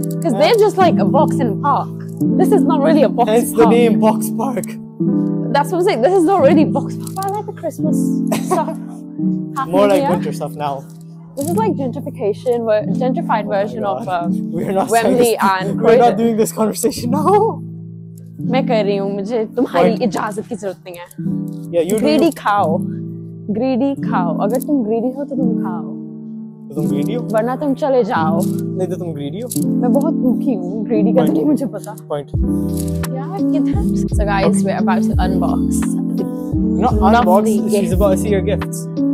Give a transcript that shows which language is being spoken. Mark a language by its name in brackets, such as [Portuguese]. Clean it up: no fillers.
[English] Because they're just like a box in a park. This is not really a box park. It's the name Box Park. That's what I'm saying. This is not really Box Park. I like the Christmas stuff. More like winter stuff now. This is like gentrification, gentrified version of Wembley and Croydon. We're not doing this conversation now. [Hindi] मैं कह रही हूँ मुझे तुम्हारी इजाजत की ज़रूरत नहीं है। [English] Yeah, you [Hindi] greedy खाओ, greedy खाओ। अगर तुम greedy हो तो तुम खाओ। तुम greedy हो? वरना तुम चले जाओ। नहीं तो तुम greedy हो? मैं बहुत भूखी हूँ, greedy का नहीं मुझे पता। [English] Point. [Hindi] यार कितना? [English] So guys, we're about to unbox. No, unbox. She's about to see your gifts.